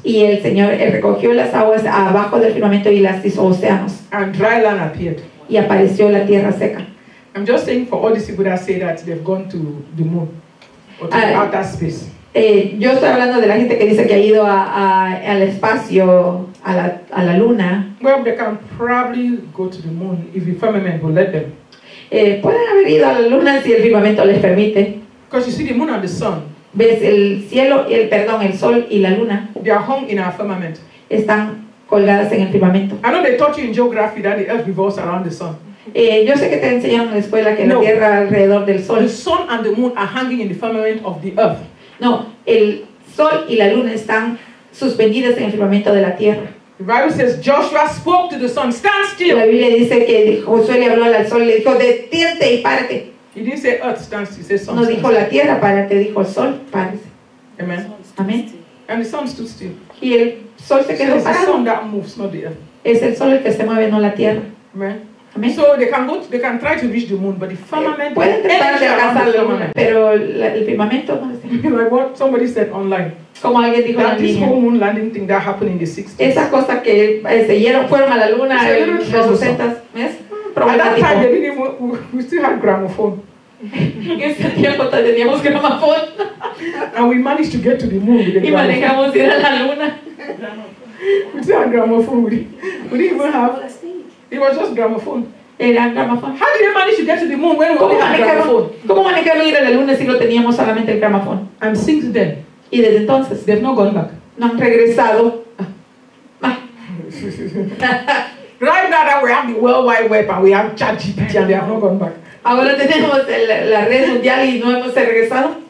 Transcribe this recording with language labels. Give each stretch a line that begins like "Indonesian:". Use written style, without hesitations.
Spanish: Y el Señor recogió las aguas abajo del firmamento y las hizo océanos.
English: And dry land appeared.
Spanish: Y apareció la tierra seca.
English: I'm just saying for all these people that say that they've gone to the moon or to outer space.
Spanish: Yo estoy hablando de la gente que dice que ha ido al espacio, a la luna.
English: Well, they can probably go to the moon if the firmament will let them.
Spanish: Pueden haber ido a la luna si el firmamento les permite.
English: Because you see the moon and the sun.
Spanish: Ves el cielo, el sol y la luna.
English: They are hung in our firmament.
Spanish: Están colgadas en el firmamento.
English: I know they taught you in geography that the earth revolves around the sun.
Spanish: Yo sé que te enseñaron en la escuela que la tierra alrededor del sol.
English: The sun and the moon are hanging in the firmament of the earth.
Spanish: No, el sol y la luna están suspendidas en el firmamento de la tierra.
English: The Bible says Joshua spoke to the sun, stand still.
Spanish: La Biblia dice que Josué le habló al sol y le dijo, detente y párate.
English: He didn't say earth, stand still. He said sun.
Spanish: No dijo la tierra, párate. Dijo el sol, párate.
English: Amen.
Spanish: Amen.
English: And the sun stood still.
Spanish: Y el sol se quedó parado.
English: It's the sun that moves, not the earth.
Spanish: Es el sol el que se mueve, no la tierra.
English: Amen.
Spanish: Amen.
English: So they can go. They can try to reach the moon, but the firmament.
Spanish: Pueden tratar de alcanzar la luna, pero el firmamento.
English: Like what somebody said online.
Spanish: Como alguien dijo online.
English: That this whole moon landing thing that happened in the 60s.
Spanish: Esa cosa que se dieron fueron a la luna en los 60s. ¿Ves?
English: At that time, we still had gramophone.
Spanish: Ese tiempo teníamos gramophone.
English: And we managed to get to the moon with the gramophone.
Spanish: Y manejamos ir a la luna.
English: We still had gramophone. We didn't even have. It was just gramophone.
Spanish: Era gramophone.
English: How did they manage to get to the moon when we had gramophone?
Spanish: ¿Cómo manejaron ir a la luna si no teníamos solamente el gramophone?
English: And since then.
Spanish: Y desde entonces.
English: They've not gone back.
Spanish: No han regresado.
English: Right now that we have the World Wide Web and we have ChatGPT and they have not gone back.
Spanish: Ahora tenemos la red mundial y no hemos regresado.